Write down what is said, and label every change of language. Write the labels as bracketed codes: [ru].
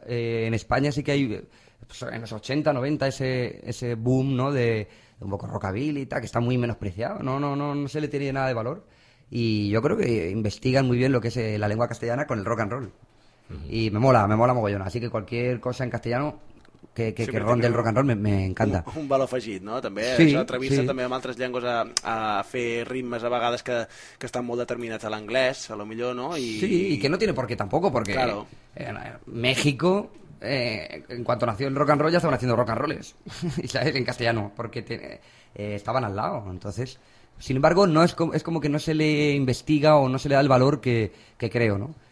[es] En España sí que hay, pues, en los 80, 90, ese boom, ¿no? De un poco rockabilly y tal, que está muy menospreciado. No se le tiene nada de valor. Y yo creo que investigan muy bien lo que es la lengua castellana con el rock and roll. Uh-huh. Y me mola mogollón. Así que cualquier cosa en castellano... que ronde el rock and roll me encanta. [ca] Un valor afegit, no? També sí, atrevir-se sí. També amb altres llengües a fer ritmes a vegades que estan molt determinats a l'anglès, a lo millor, no? [es] Y que no tiene por qué tampoco, porque claro. México, en cuanto nació el rock and roll, ya estaban haciendo rock and rolls, ¿sabes? En castellano, porque estaban al lado, entonces Sin embargo, no es como, es como que no se le investiga o no se le da el valor que creo, ¿no?